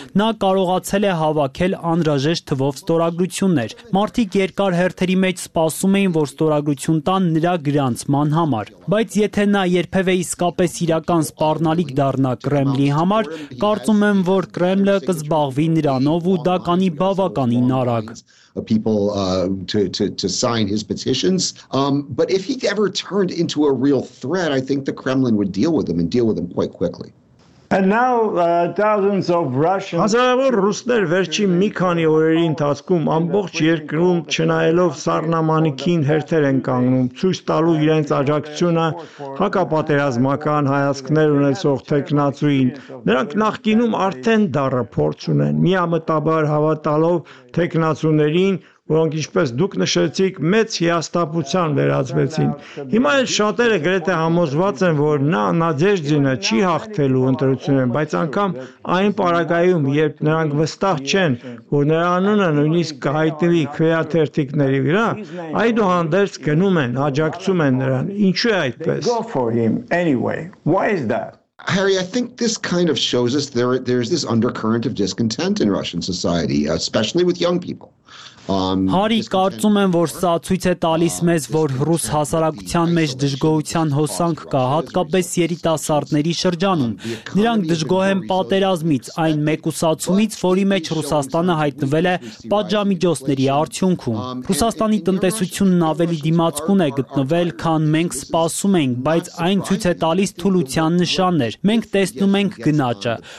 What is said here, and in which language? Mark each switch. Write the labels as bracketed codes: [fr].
[hy] Նա կարողացել է հավաքել անհրաժեշտ թվով ստորագրություններ։ Մարդիկ երկար հերթերի մեջ սպասում էին, որ ստորագրություն տան նրա գրանցման համար, բայց եթե նա երբևէ իսկապես իրական սպառնալիք դառնա Կրեմլի համար, կարծում եմ, որ Կրեմլը կզբաղվի նրանով ու դա կանի բավականին արագ [en] of people to sign his petitions. But if he ever turned into a real threat, I think the Kremlin would deal with him and deal with him quite quickly. And now thousands of Russians. [hy] Հազարավոր ռուսներ վերջին մի քանի օրերի ընթացքում ամբողջ երկրում չնայելով սառնամանիքին հերթեր են կանգնում, ցույց տալու իրենց աջակցությունը հակապատերազմական հայացքներ ունեցող թեկնածուին։ Նրանք նախկինում արդեն դառը փորձ ունեն, միամտաբար հավատալով թեկնածուներին, որոնք, ինչպես դուք նշեցիք, մեծ հիասթափության վերածվեցին։ Հիմա էլ շատերը գրեթե համոզված են, որ նա Նադեժդինը չի հաղթելու ընտրությունը, բայց անգամ այն պարագայում, երբ նրանք վստահ չեն, որ նրա անունը նույնիսկ կհայտնվի քվեաթերթիկների վրա, այդուհանդերձ գնում են, աջակցում են նրան։ Ինչու է այդպես? [en] Harry, I think this kind of shows us there's this undercurrent of discontent in Russian society, especially with young people. [hy] Հարի, կարծում եմ, որ սա ցույց է տալիս մեզ, որ ռուս հասարակության մեջ դժգոհության հոսանք կա, հատկապես երիտասարդների շրջանում։ Նրանք դժգոհ են պատերազմից, այն մեկուսացումից, որի մեջ Ռուսաստանը հայտնվել է պատժամիջոցների արդյունքում։ Ռուսաստանի տնտեսությունն ավելի դիմացկուն է գտնվել, քան մենք սպասում ենք, բայց այն ցույց է տալիս թուլության նշաններ։ Մենք տեսնում ենք գնաճը,